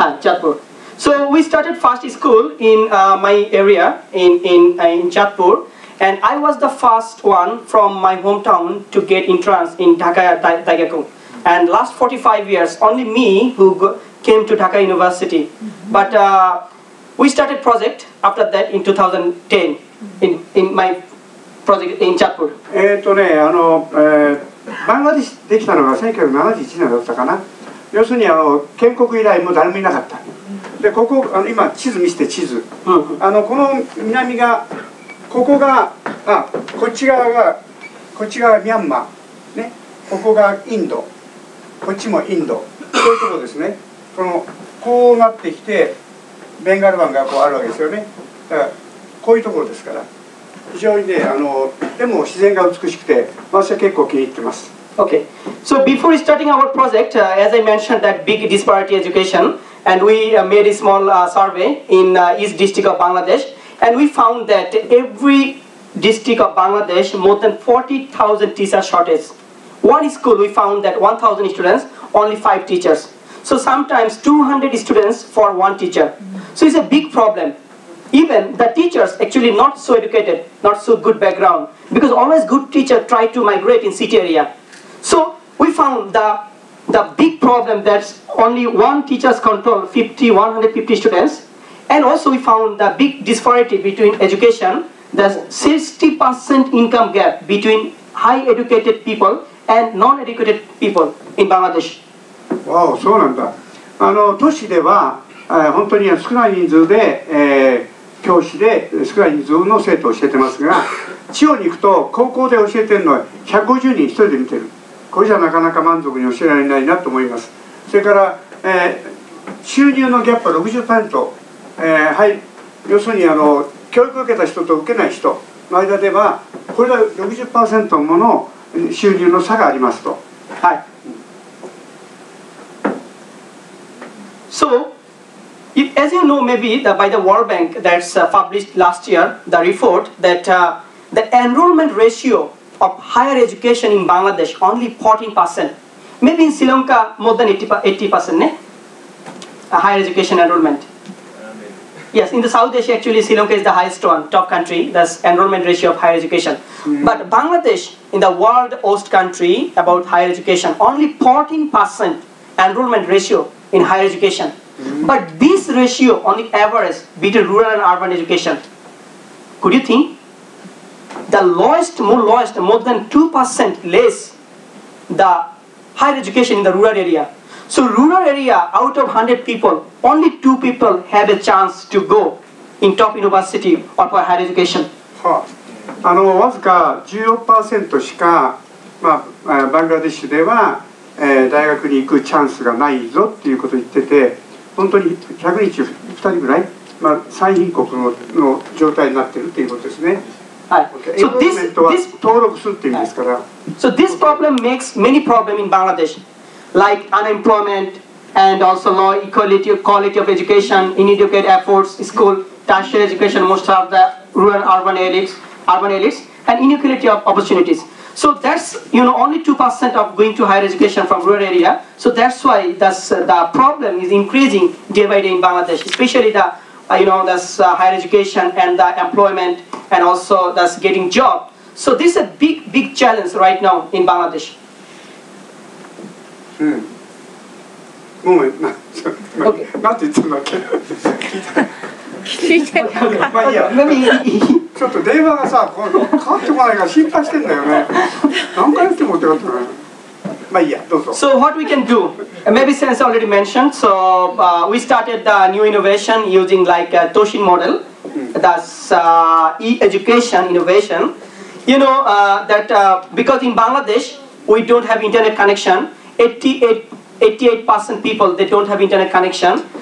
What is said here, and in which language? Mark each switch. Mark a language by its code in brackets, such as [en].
[en] Chatpur. So we started first school in my area in Chatpur, and I was the first one from my hometown to get entrance in Dhaka Daigaku. And last 45 years, only me who came to Dhaka University. Mm-hmm. But we started project after that in 2010 in my project in Chatpur. [ja] バングラデシュできたのが1971年だったかな。要するにあの建国以来もう誰もいなかった。でここあの今地図見せて、地図、うん、あのこの南がここが、あこっち側がこっち側ミャンマーね、ここがインド、こっちもインド、こういうところですね。このこうなってきてベンガル湾がこうあるわけですよね。だからこういうところですから非常にね、あのでも自然が美しくて私は結構気に入ってます。 [en] OK, so before starting our project, as I mentioned that big disparity education, and we made a small survey in East District of Bangladesh, and we found that every district of Bangladesh more than 40,000 teacher shortage. One school we found that 1,000 students, only 5 teachers. So sometimes 200 students for one teacher. So it's a big problem. Even the teachers actually not so educated, not so good background, because always good teacher try to migrate in city area. So we found the big problem that only one teachers control 150 students, and also we found the big disparity between education, the 60% income gap between high educated people and non-educated people in Bangladesh. [ja] Wow, そうなんだ。あの都市では本当に少ない人数で教師で少ない人数の生徒を教えてますが、地方に行くと高校で教えてるのは150人一人で見てる。これじゃなかなか満足に教えられないなと思います。それから、収入のギャップは 60%、はい、要するにあの教育を受けた人と受けない人の間ではこれが 60% もの収入の差がありますと。はい。 [en] そう、If, as you know, maybe the, by the World Bank that's published last year, the report that the enrollment ratio of higher education in Bangladesh only 14%. Maybe in Sri Lanka more than 80%, ne? Higher education enrollment. Yes, in the South Asia actually Sri Lanka is the highest one, top country, that's enrollment ratio of higher education. Mm-hmm. But Bangladesh, in the world host country about higher education, only 14% enrollment ratio in higher education. Mm-hmm. But this ratio on the average between rural and urban education, could you think? The lowest, more than 2% less the higher education in the rural area. So rural area, out of 100 people, only 2 people have a chance to go in top university or for higher education. [ja] あの、わずか 14% しか、まあ、バングラデシュでは、大学に行くチャンスがないぞっていうことを言ってて、本当に100人中2人ぐらい、まあ、最貧国 の状態になってるっていうことですね。はい。そう、so、登録するっていうんですから。 [en] So this problem makes many problems in Bangladesh, like unemployment and also low equality, quality of education, inadequate efforts, school, tertiary education, most of the rural urban areas. Urban elites and inequality of opportunities. So that's, you know, only 2% of going to higher education from rural area. So that's why that's, the problem is increasing day by day in Bangladesh, especially the, you know, that's, higher education and the employment and also that's getting job. So this is a big, big challenge right now in Bangladesh. Hmm. Moment. What did you say? [ja] まあいいや、ちょっと電話がさ、変わってこないから心配してんだよね。何回言っても手が取れない。まあいいや、どうぞ。 [en] So what we can do? Maybe since already mentioned, so、we started the new innovation using like a Toshin model, that's、e-education innovation. You know、that、because in Bangladesh, we don't have internet connection, 88% people, they don't have internet connection.